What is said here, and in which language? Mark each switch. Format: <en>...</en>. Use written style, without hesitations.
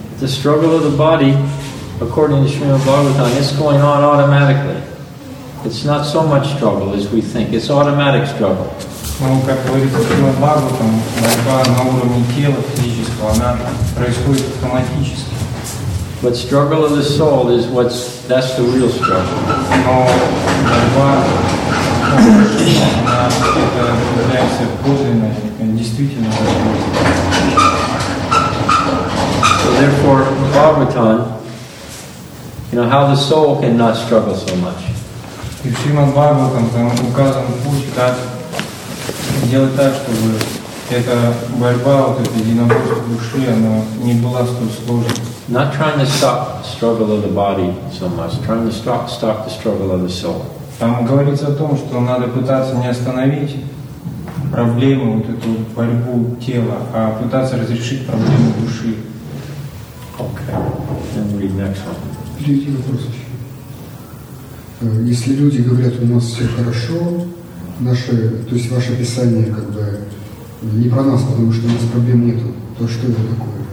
<en>The struggle of the body, according to Srimad Bhagavatam, it's going on automatically. It's not so much struggle as we think. It's automatic struggle.</en> <ru>Ну, как говорится, Srimad Bhagavatam, борьба на уровне тела физического, она происходит автоматически.</ru> <en>But struggle of the soul is what's, that's the real struggle.</en> <ru>Но борьба на уровне тела, она является подлинной, действительно возможной.</ru> <en>So therefore, Bhagavatam, you know, how the soul cannot struggle so much.</en> <ru>И в Шримад Бхагаватам там указан путь, как делать так, чтобы эта борьба, вот эта единоборство души, она не была столь сложной.</ru> <en>Not trying to stop the struggle of the body so much, trying to stop the struggle of the soul.</en> <ru>Там говорится о том, что надо пытаться не остановить проблему, вот эту борьбу тела, а пытаться разрешить проблему души.</ru> <en>Okay, then read next one.</en> <ru>Третий вопрос. Если люди говорят, у нас все хорошо, наши, то есть ваше описание как бы не про нас, потому что у нас проблем нет, то что это такое?</ru>